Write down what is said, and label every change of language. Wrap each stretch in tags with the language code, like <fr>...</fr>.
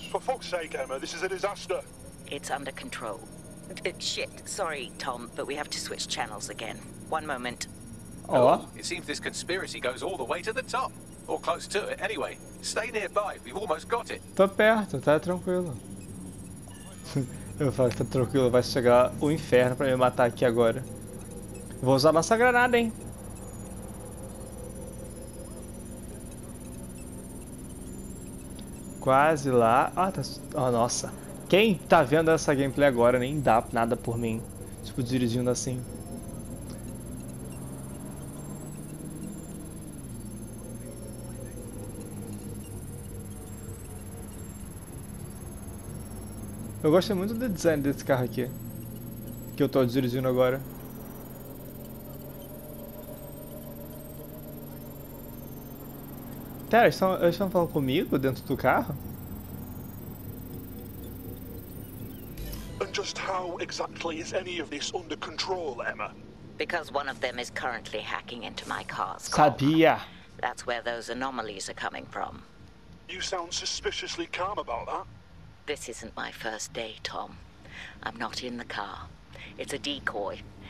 <en>For fuck's sake, Emma, this is a disaster. It's under control. Shit, sorry, Tom, but we have to switch channels again. One moment. Oh, it seems this conspiracy goes all the way to the top. Or close to it, anyway. Stay nearby, we've almost got it.</en> <pt>Tô perto, tá tranquilo. Eu falo, tá tranquilo, vai chegar o inferno pra me matar aqui agora. Vou usar nossa granada, hein? Quase lá. Ah, tá. Oh, nossa. Quem tá vendo essa gameplay agora nem dá nada por mim. Tipo, dirigindo assim. Eu gostei muito do design desse carro aqui. Que eu tô dirigindo agora. Pera, eles estão falando comigo dentro do carro?</pt> <en>And just exactly is any of this under control, Emma? Because one of them is currently hacking into my car's</en> <pt>Sabia. Car.</pt> <en>That's where those anomalies are coming from. You sound suspiciously calm about that. This isn't my first day, Tom. I'm not in the car. It's a decoy.</en>